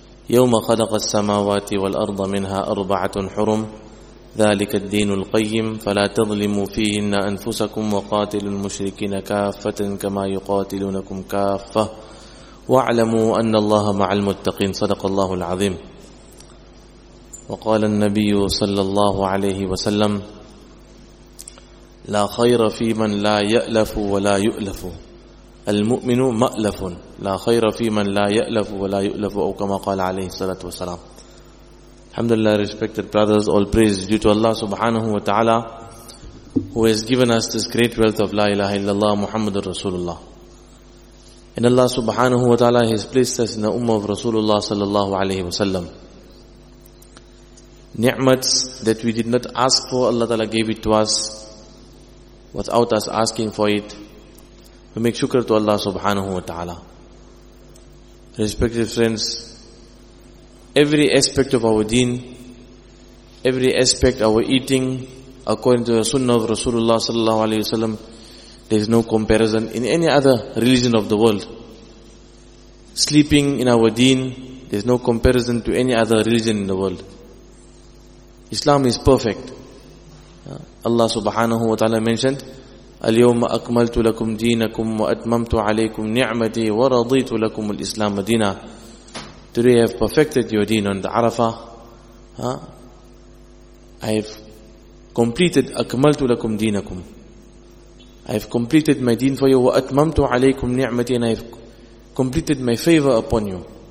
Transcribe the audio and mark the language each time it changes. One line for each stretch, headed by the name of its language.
Arabic: يوم خلق السماوات والأرض منها أربعة حرم ذلك الدين القيم فلا تظلموا فيهن أنفسكم وقاتلوا المشركين كافة كما يقاتلونكم كافة واعلموا أن الله مع المتقين صدق الله العظيم وقال النبي صلى الله عليه وسلم لا خير في من لا يألف ولا يؤلف المؤمن مألف لا خير في من لا يألف ولا يؤلف أو كما قال عليه الصلاة والسلام.
English: Alhamdulillah, respected brothers, all praise due to Allah subhanahu wa ta'ala, who has given us this great wealth of La ilaha illallah Muhammadur Rasulullah. And Allah subhanahu wa ta'ala has placed us in the ummah of Rasulullah sallallahu alayhi wa sallam. Ni'mats that we did not ask for, Allah ta'ala gave it to us without us asking for it. We make shukr to Allah subhanahu wa ta'ala. Respected friends, every aspect of our deen, every aspect of our eating, according to the sunnah of Rasulullah sallallahu alayhi wa sallam, there is no comparison in any other religion of the world. Sleeping in our deen, there is no comparison to any other religion in the world. Islam is perfect. Allah subhanahu wa ta'ala mentioned,
Arabic: اليوم أكملت لكم دينكم وأتممت عليكم نعمتي ورضيت لكم الإسلام دينا.
English: Today I have perfected your deen on the Arafah. I have completed
Arabic: أكملت لكم دينكم.
English: I have completed my deen for you
Arabic: وأتممت عليكم نعمتي,
English: and I have completed my favor upon you.